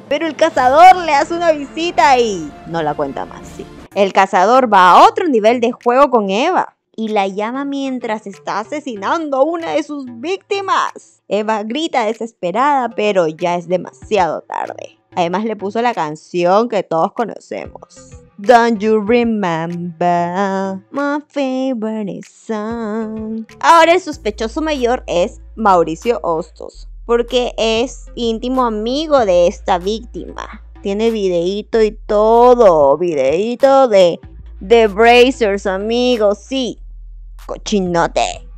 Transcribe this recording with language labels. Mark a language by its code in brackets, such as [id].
[es] Pero el cazador le hace una visita y no la cuenta más, sí. El cazador va a otro nivel de juego con Eva y la llama mientras está asesinando a una de sus víctimas. Eva grita desesperada, pero ya es demasiado tarde. Además le puso la canción que todos conocemos. [en] Don't you remember my favorite song? [es] Ahora el sospechoso mayor es Mauricio Hostos, porque es íntimo amigo de esta víctima. Tiene videíto y todo, videíto de The Brazers, amigos, sí, cochinote.